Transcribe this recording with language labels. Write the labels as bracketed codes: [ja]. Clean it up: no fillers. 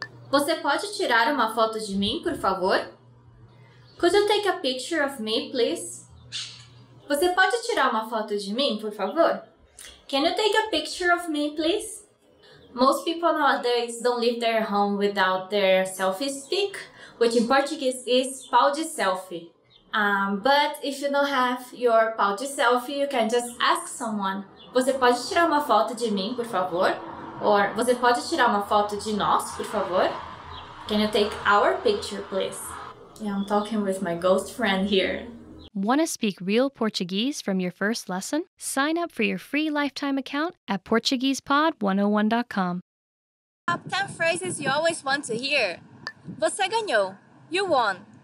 [pt] Você pode tirar uma foto de mim, por favor? [en] Could you take a picture of me, please? [pt] Você pode tirar uma foto de mim, por favor? [en] Can you take a picture of me, please? Most people nowadays don't leave their home without their selfie stick, which in Portuguese is pau de selfie. But if you don't have your pau de selfie, you can just ask someone. [pt] Você pode tirar uma foto de mim, por favor? Or, você pode tirar uma foto de nós, por favor? [en] Can you take our picture, please? Yeah, I'm talking with my ghost friend here. Want to speak real Portuguese from your first lesson? Sign up for your free lifetime account at PortuguesePod101.com. Top 10 phrases you always want to hear. [pt] Você ganhou. [en] You won.